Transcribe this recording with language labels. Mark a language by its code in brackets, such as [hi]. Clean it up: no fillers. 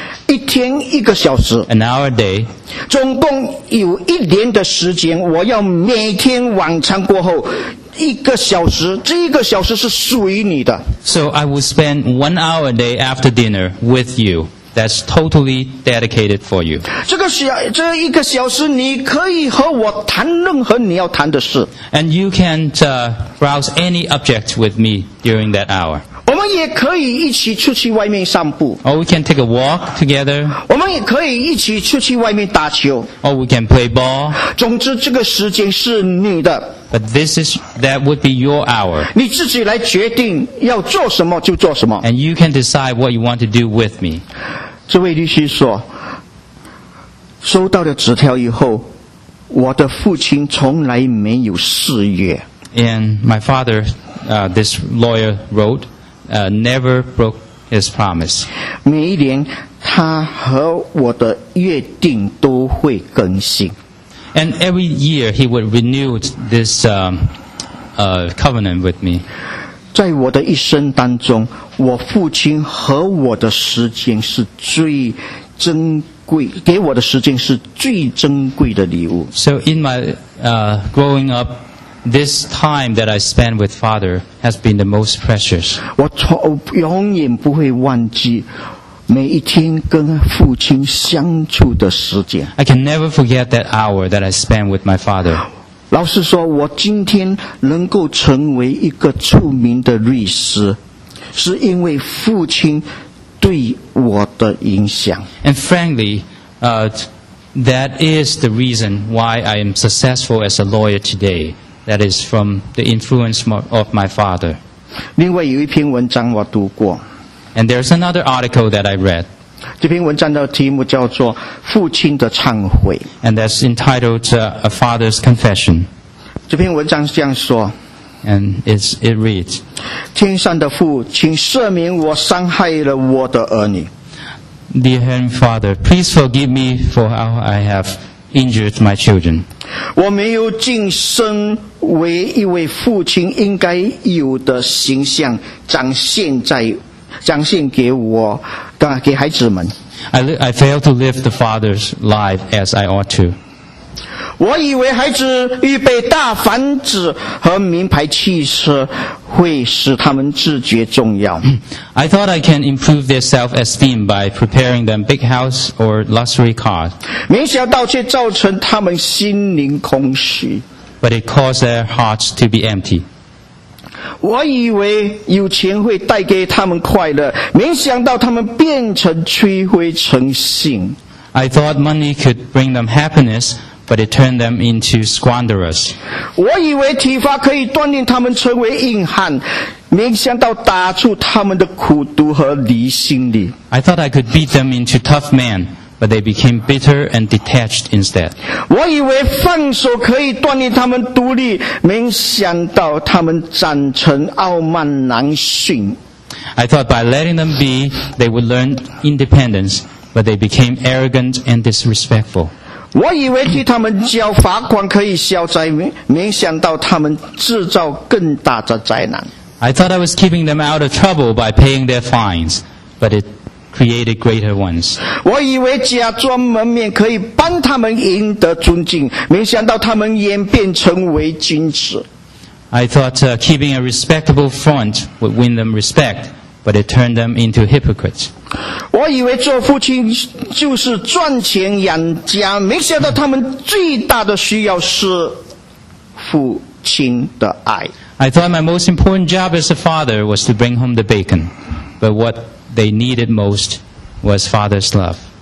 [zh] 一天一个小时。 [en] An hour a day. [zh] 总共有一年的时间我要每天晚餐过后一个小时，这一个小时是属于你的。 [en] So I will spend 1 hour a day after dinner with you. That's totally dedicated for you. [zh] 这一个小时，你可以和我谈任何你要谈的事。 [en] And you can browse any object with me during that hour. [zh] 我们也可以一起出去外面散步。 [en] Or we can take a walk together. [zh] 我们也可以一起出去外面打球。 [en] Or we can play ball. [zh] 总之，这个时间是你的。 [en] But this is, that would be your hour. [zh] 你自己来决定要做什么就做什么。 [en] And you can decide what you want to do with me. [zh] 这位律师说，收到了纸条以后，我的父亲从来没有试约。 [en] And my father, this lawyer wrote, never broke his promise. [zh] 每一年，他和我的约定都会更新。 [en] And every year he would renew this covenant with me. [zh] 在我的一生当中，我父亲和我的时间是最珍贵，给我的时间是最珍贵的礼物。 [en] So in my growing up, this time that I spend with Father has been the most precious. [zh] 我永远不会忘记。每一天跟父亲相处的时间 [en] I can never forget that hour that I spent with my father [zh] 老实说我今天能够成为一个出名的律师是因为父亲对我的影响 [en] And frankly, that is the reason why I am successful as a lawyer today That is from the influence of my father [zh] 另外有一篇文章我读过 [en] And there's another article that I read. [zh] 这篇文章的题目叫做《父亲的忏悔》。 [en] And that's entitled A Father's Confession. [zh] 这篇文章是这样说。 [en] And it reads. [zh] 天上的父，请赦免我伤害了我的儿女。 [en] Dear Heavenly Father, please forgive me for how I have injured my children. [zh] 我没有晋升为一位父亲应该有的形象，彰显在。彰显给我，给孩子们。 [en] I failed to live the father's life as I ought to. [zh] 我以为孩子预备大房子和名牌汽车会使他们自觉重要。 [en] I thought I can improve their self-esteem by preparing them big house or luxury car. [zh] 没想到却造成他们心灵空虚。 [en] But it caused their hearts to be empty. [zh] 我以为有钱会带给他们快乐，没想到他们变成摧灰成性。 [en] I thought money could bring them happiness, but it turned them into squanderers. [zh] 我以为体罚可以锻炼他们成为硬汉，没想到打出他们的苦毒和离心力。 [en] I thought I could beat them into tough men. But they became bitter and detached instead. [zh] 我以为放手可以锻炼他们独立，没想到他们长成傲慢难驯。 [en] I thought by letting them be, they would learn independence, but they became arrogant and disrespectful. [zh] 我以为替他们交罚款可以消灾，没想到他们制造更大的灾难。 [en] I thought I was keeping them out of trouble by paying their fines, but it created greater ones. [zh] 我以为假装门面可以帮他们赢得尊敬，没想到他们演变成为矜持。 [en] I thought keeping a respectable front would win them respect, but it turned them into hypocrites. [zh] 我以为做父亲就是赚钱养家，没想到他们最大的需要是父亲的爱。 [en] I thought my most important job as a father was to bring home the bacon, but what they needed most was father's love.